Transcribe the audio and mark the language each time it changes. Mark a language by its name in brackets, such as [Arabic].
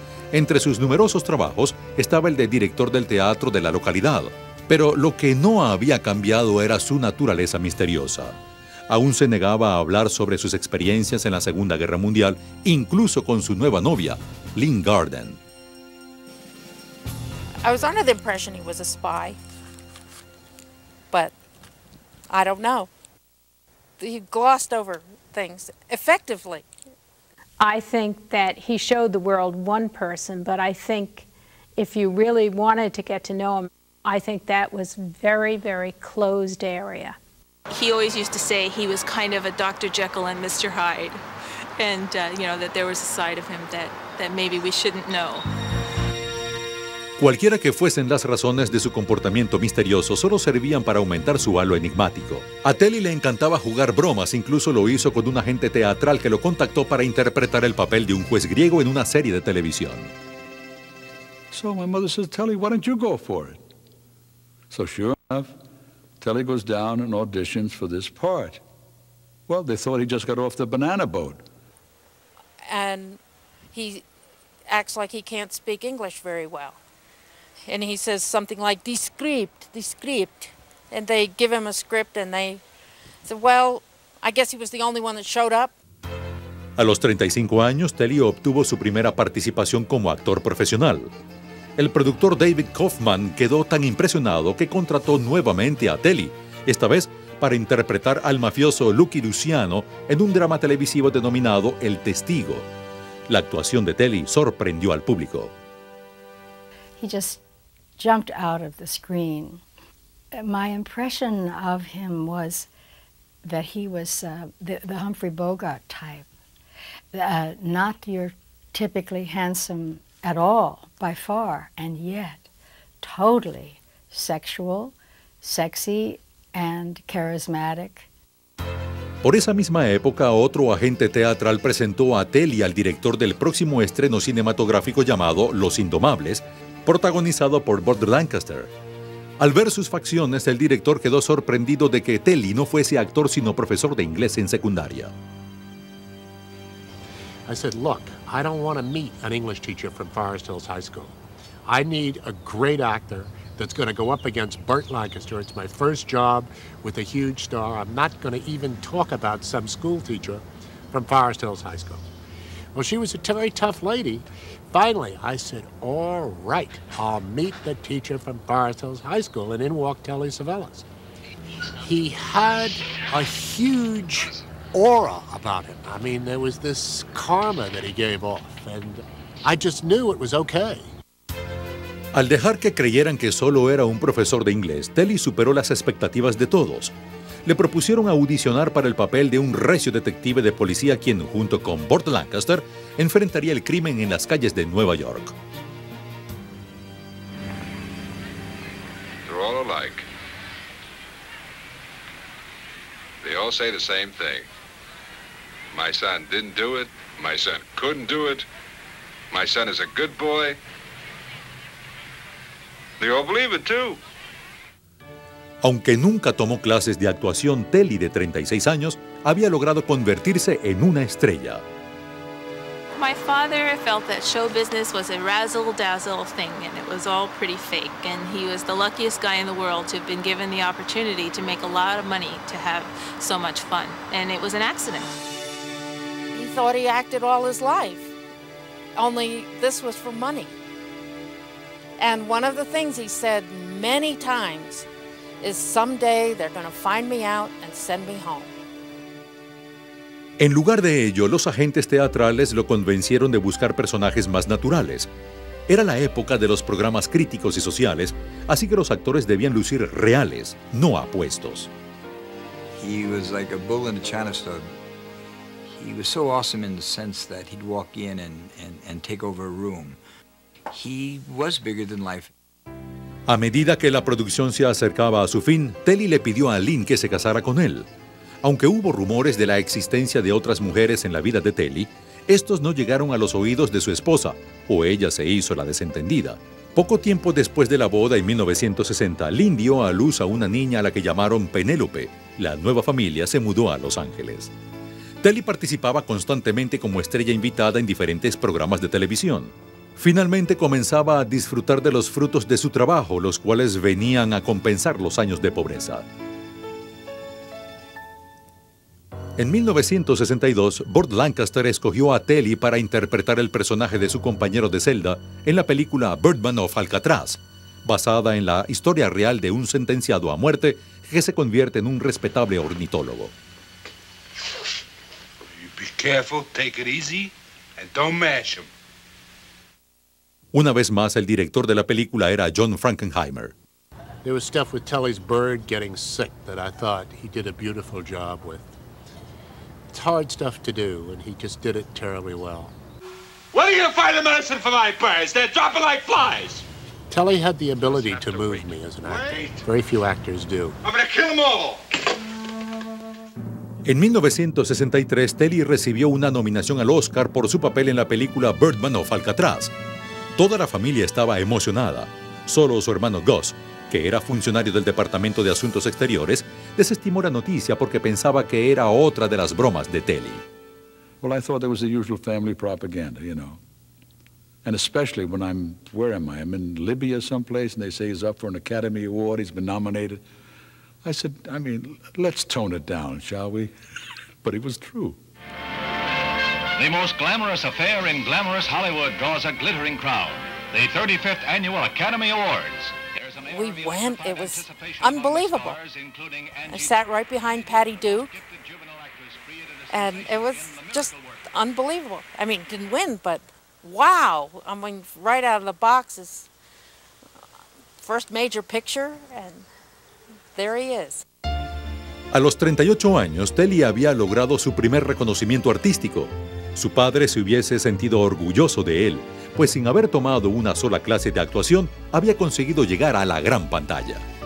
[Spanish] Entre sus numerosos trabajos estaba el de director del teatro de la localidad. Pero lo que no había cambiado era su naturaleza misteriosa. Aún se negaba a hablar sobre sus experiencias en la Segunda Guerra Mundial, incluso con su nueva novia, Lynn Garden. [English] I was under the impression he was a spy. But I don't know. He glossed over things effectively. I think that he showed the world one person, but I think if you really wanted to get to know him, I think that was very, very closed area. He always used to say he was kind of a Dr. Jekyll and Mr. Hyde, and you know, that there was a side of him that maybe we shouldn't know. [Spanish] Cualquiera que fuesen las razones de su comportamiento misterioso, solo servían para aumentar su halo enigmático. A Telly le encantaba jugar bromas, incluso lo hizo con un agente teatral que lo contactó para interpretar el papel de un juez griego en una serie de televisión. [English] So my mother says, Telly, why don't you go for it? So sure enough, Telly goes down and auditions for this part. Well, they thought he just got off the banana boat. And he acts like he can't speak English very well. And he says something like, the script. And they give him a script and they said, well, I guess he was the only one that showed up. [Spanish] A los 35 años, Telly obtuvo su primera participación como actor profesional. el productor David Kaufman quedó tan impresionado que contrató nuevamente a Telly, esta vez para interpretar al mafioso Lucky Luciano en un drama televisivo denominado El Testigo. La actuación de Telly sorprendió al público. [English] He just jumped out of the screen. My impression of him was that he was the Humphrey Bogart type, not your typically handsome at all, by far, and yet totally sexual, sexy, and charismatic. [Spanish] Por esa misma época, otro agente teatral presentó a Telly al director del próximo estreno cinematográfico llamado Los Indomables, protagonizado por Burt Lancaster. Al ver sus facciones, el director quedó sorprendido de que Telly no fuese actor sino profesor de inglés en secundaria. [English] I said, look, I don't want to meet an English teacher from Forest Hills High School. I need a great actor that's going to go up against Burt Lancaster. It's my first job with a huge star. I'm not going to even talk about some school teacher from Forest Hills High School. Well, she was a very tough lady. Finally, I said, all right, I'll meet the teacher from Forest Hills High School, and in walked Telly Savalas. He had a huge aura about him. I mean, there was this karma that he gave off, and I just knew it was okay. [Spanish] Al dejar que creyeran que solo era un profesor de inglés, Telly superó las expectativas de todos. Le propusieron audicionar para el papel de un recio detective de policía quien, junto con Burt Lancaster, enfrentaría el crimen en las calles de Nueva York. [English] They're all alike. They all say the same thing. My son didn't do it. My son couldn't do it. My son is a good boy. They all believe it too. [Spanish] Aunque nunca tomó clases de actuación, Telly, de 36 años, había logrado convertirse en una estrella. [English] My father felt that show business was a razzle-dazzle thing, and it was all pretty fake. And he was the luckiest guy in the world to have been given the opportunity to make a lot of money, to have so much fun. And it was an accident. He thought he acted all his life, only this was for money. And one of the things he said many times is someday they're going to find me out and send me home. [Spanish] En lugar de ello, los agentes teatrales lo convencieron de buscar personajes más naturales. Era la época de los programas críticos y sociales, así que los actores debían lucir reales, no apuestos. [English] He was like a bull in a china store. He was so awesome in the sense that he'd walk in and take over a room. He was bigger than life. [Spanish] A medida que la producción se acercaba a su fin, Telly le pidió a Lynn que se casara con él. Aunque hubo rumores de la existencia de otras mujeres en la vida de Telly, estos no llegaron a los oídos de su esposa, o ella se hizo la desentendida. Poco tiempo después de la boda, en 1960, Lynn dio a luz a una niña a la que llamaron Penélope. La nueva familia se mudó a Los Ángeles. Telly participaba constantemente como estrella invitada en diferentes programas de televisión. Finalmente comenzaba a disfrutar de los frutos de su trabajo, los cuales venían a compensar los años de pobreza. En 1962, Burt Lancaster escogió a Telly para interpretar el personaje de su compañero de celda en la película Birdman of Alcatraz, basada en la historia real de un sentenciado a muerte que se convierte en un respetable ornitólogo. [English] Be careful, take it easy, and don't mash him. [Spanish] Una vez más, el director de la película era John Frankenheimer. [English] There was stuff with Telly's bird getting sick that I thought he did a beautiful job with. It's hard stuff to do, and he just did it terribly well. What are you gonna find the medicine for my birds? They're dropping like flies. Telly had the ability to move me as an actor. Very few actors do. I'm gonna kill them all. [Spanish] En 1963, Telly recibió una nominación al Oscar por su papel en la película Birdman of Alcatraz. Toda la familia estaba emocionada. Solo su hermano Gus, que era funcionario del Departamento de Asuntos Exteriores, desestimó la noticia porque pensaba que era otra de las bromas de Telly. [English] Well, I thought there was the usual family propaganda, you know. And especially when I'm, where am I? I'm in Libya someplace, and they say he's up for an Academy Award, he's been nominated. I said, I mean, let's tone it down, shall we? But it was true. The most glamorous affair in glamorous Hollywood draws a glittering crowd. the 35th Annual Academy Awards. We went. It was unbelievable. I sat right behind Patty Duke, and it was just unbelievable. I mean, didn't win, but wow. I mean, right out of the box is first major picture, and there he is. [Spanish] A los 38 años, Telly había logrado su primer reconocimiento artístico. Su padre se hubiese sentido orgulloso de él, pues sin haber tomado una sola clase de actuación, había conseguido llegar a la gran pantalla.